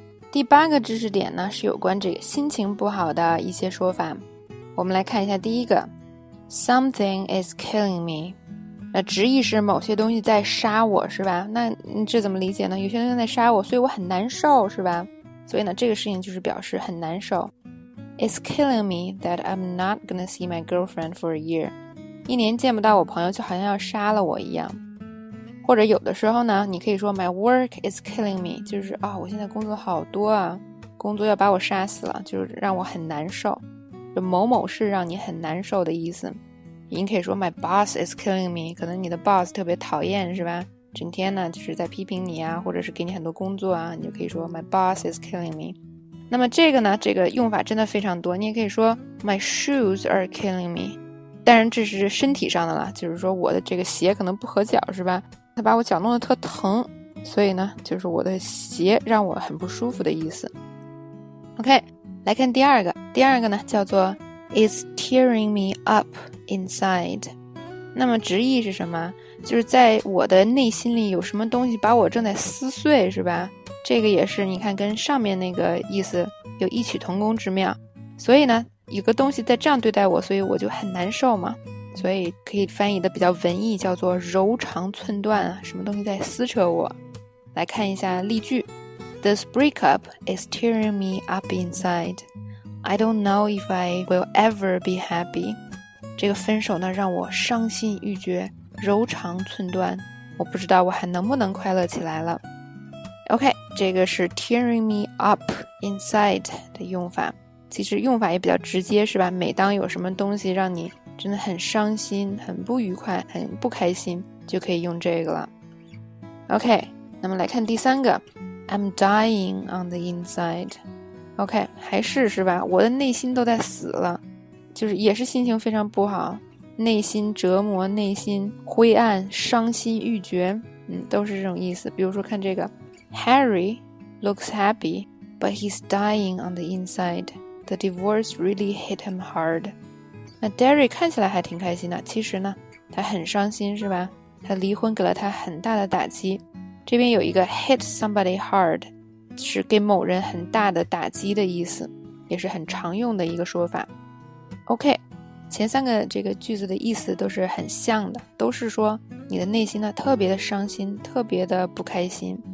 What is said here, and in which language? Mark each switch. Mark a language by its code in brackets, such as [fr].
[zh] 第八个知识点呢，是有关这个心情不好的一些说法。我们来看一下第一个 ， [en] Something is killing me。 [zh] 那直译是某些东西在杀我，是吧？那你这怎么理解呢？有些东西在杀我，所以我很难受，是吧？所以呢，这个事情就是表示很难受。 [en] It's killing me that I'm not gonna see my girlfriend for a year. [zh] 一年见不到我朋友就好像要杀了我一样。或者有的时候呢，你可以说 [en] my work is killing me, [zh] 就是啊、哦、我现在工作好多啊，工作要把我杀死了，就是让我很难受。就某某事让你很难受的意思。你可以说 [en] my boss is killing me, [zh] 可能你的 boss 特别讨厌是吧，整天呢就是在批评你啊，或者是给你很多工作啊，你就可以说 my boss is killing me。那么这个呢，这个用法真的非常多，你也可以说 [en] My shoes are killing me， [zh] 当然这是身体上的了，就是说我的这个鞋可能不合脚是吧，它把我脚弄得特疼，所以呢就是我的鞋让我很不舒服的意思。 OK， 来看第二个，第二个呢叫做 [en] It's tearing me up inside。 [zh] 那么直译是什么，就是在我的内心里有什么东西把我正在撕碎是吧，这个也是你看跟上面那个意思有异曲同工之妙，所以呢有个东西在这样对待我，所以我就很难受嘛，所以可以翻译的比较文艺叫做柔肠寸断，什么东西在撕扯我。 [en] 来看一下例句， This breakup is tearing me up inside. I don't know if I will ever be happy. [zh] 这个分手呢让我伤心欲绝，柔肠寸断，我不知道我还能不能快乐起来了。 OK， 这个是 [en] tearing me up inside [zh] 的用法，其实用法也比较直接是吧，每当有什么东西让你真的很伤心，很不愉快，很不开心，就可以用这个了。 [en] OK， 那么来看第三个， I'm dying on the inside。 [zh] OK， 还是吧，我的内心都在死了，就是也是心情非常不好，内心折磨，内心灰暗，伤心欲绝，都是这种意思。 [en] 比如说看这个Harry looks happy, but he's dying on the inside. The divorce really hit him hard. [zh] 那 Derry 看起来还挺开心的，其实呢，他很伤心是吧？他离婚给了他很大的打击。这边有一个 [en] hit somebody hard, [zh] 是给某人很大的打击的意思，也是很常用的一个说法。 OK, 前三个这个句子的意思都是很像的，都是说你的内心呢特别的伤心，特别的不开心。